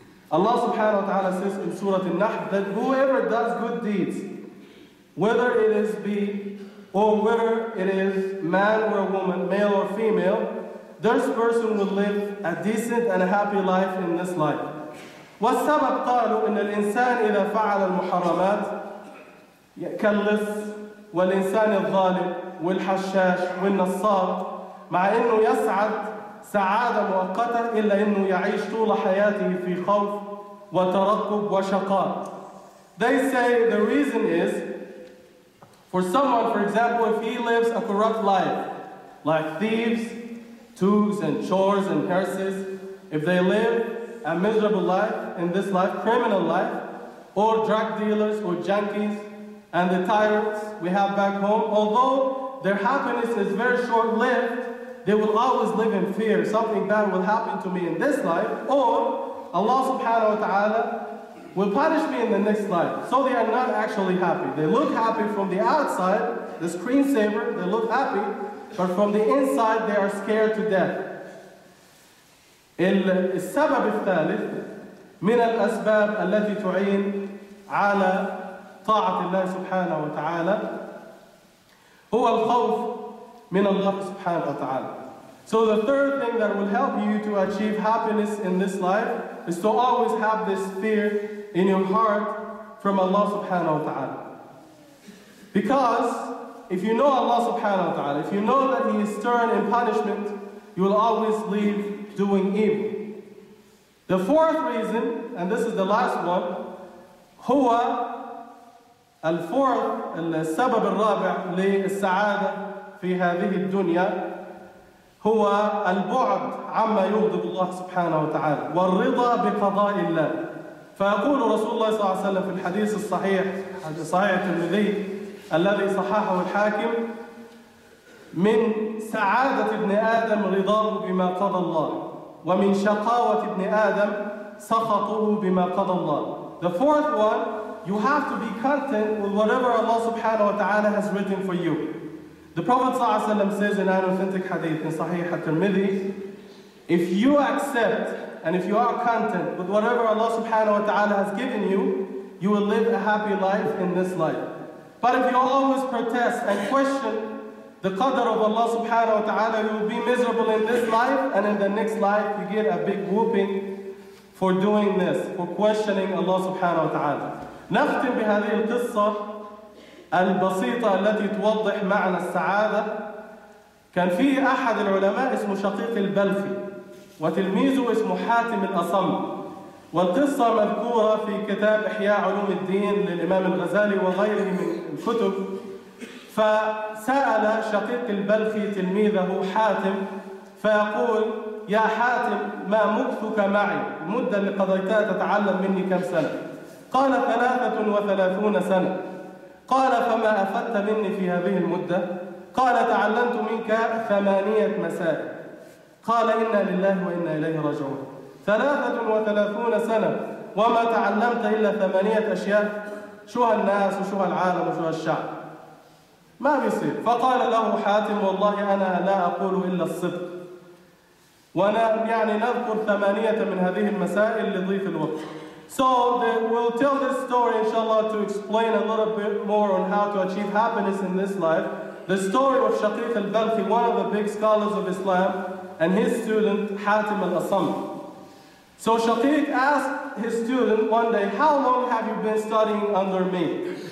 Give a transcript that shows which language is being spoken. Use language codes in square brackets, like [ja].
[en] Allah subhanahu wa ta'ala says in Surah An-Nahl that whoever does good deeds, whether it is whether it is man or woman, male or female, this person will live a decent and a happy life in this life. [ar] والسبب قالوا إن الإنسان إذا فعل المحرمات يكلس والإنسان الظالم والحشاش والنصاب مع إنه يسعد سعادة مؤقتة إلا إنه يعيش طول حياته في خوف وترقب وشقاء. [en] They say the reason is for someone, for example, if he lives a corrupt life, like thieves, tools and chores and curses, if they live a miserable life in this life, criminal life, or drug dealers or junkies and the tyrants we have back home, although their happiness is very short-lived, they will always live in fear. Something bad will happen to me in this life, or Allah subhanahu wa ta'ala will punish me in the next life. So they are not actually happy. They look happy from the outside, the screensaver, they look happy, but from the inside they are scared to death. [ar] السبب الثالث من الأسباب التي تعين على طاعة الله سبحانه وتعالى هو الخوف من الله سبحانه وتعالى. [en] So the third thing that will help you to achieve happiness in this life is to always have this fear in your heart from Allah subhanahu wa ta'ala. Because if you know Allah subhanahu wa ta'ala, if you know that He is stern in punishment, you will always leave doing evil. The fourth reason, and this is the last one, [ar] هو الفورث السبب الرابع للسعادة في هذه الدنيا هو البعد عما يغضب الله سبحانه وتعالى والرضا بقضاء الله. فيقول رسول الله صلى الله عليه وسلم في الحديث الصحيح صحيح الترمذي الذي صححه الحاكم: من سعادة ابن آدم رضاه بما قضى الله ومن شقاوة ابن آدم سخطه بما قضى الله. [en] The fourth one, you have to be content with whatever Allah subhanahu wa ta'ala has written for you. The Prophet [ar] صلى الله عليه وسلم [en] says in an authentic hadith in Sahih al-Tirmidhi, if you accept and if you are content with whatever Allah subhanahu wa ta'ala has given you, you will live a happy life in this life. But if you always protest and question the qadr of Allah subhanahu wa ta'ala, you will be miserable in this life, and in the next life you get a big whooping for doing this, for questioning Allah subhanahu wa ta'ala. [ar] نختم بهذه القصة البسيطة التي توضح معنى السعادة. كان فيه أحد العلماء اسمه شقيق البلفي وتلميذه اسمه حاتم الأصم، والقصة مذكورة في كتاب إحياء علوم الدين للإمام الغزالي وغيره من الكتب. فسأل شقيق البلفي تلميذه حاتم فيقول: يا حاتم، ما مكثك معي؟ المدة اللي قضيتها تتعلم مني كم سنة؟ قال: 33 سنة. قال: فما أفدت مني في هذه المدة؟ قال: تعلمت منك 8 مسائل. قال: إنا لله وإنا إليه راجعون. 33 سنة وما تعلمت إلا 8 أشياء، شو هالناس وشو هالعالم وشو هالشعب، ما بيصير. فقال له حاتم: والله أنا لا أقول إلا الصدق، وأنا يعني نذكر 8 من هذه المسائل لضيف الوقت. [en] So then we'll tell this story, inshallah, to explain a little bit more on how to achieve happiness in this life. The story of Shaqiq al-Balkhi, one of the big scholars of Islam, and his student, Hatim al-Asam. So Shaqiq asked his student one day, "How long have you been studying under me?"